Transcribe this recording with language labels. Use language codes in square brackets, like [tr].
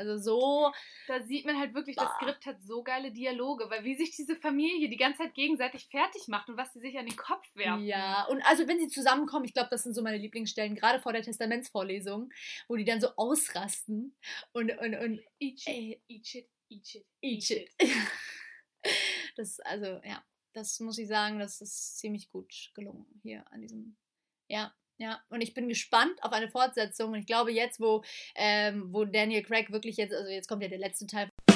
[de] Also so. Da sieht man halt wirklich, das Bah. Skript hat so geile Dialoge, weil wie sich diese Familie die ganze Zeit gegenseitig fertig macht und was sie sich an den Kopf werfen. Ja, und also wenn sie zusammenkommen, ich glaube, das sind so meine Lieblingsstellen, gerade vor der Testamentsvorlesung, wo die dann so ausrasten und [en] Eat shit, eat shit, eat shit, eat eat shit. shit. [de] Das, also, ja, das muss ich sagen, das ist ziemlich gut gelungen hier an diesem. Ja, und ich bin gespannt auf eine Fortsetzung. Und ich glaube, jetzt, wo Daniel Craig wirklich jetzt, also jetzt kommt ja der letzte Teil.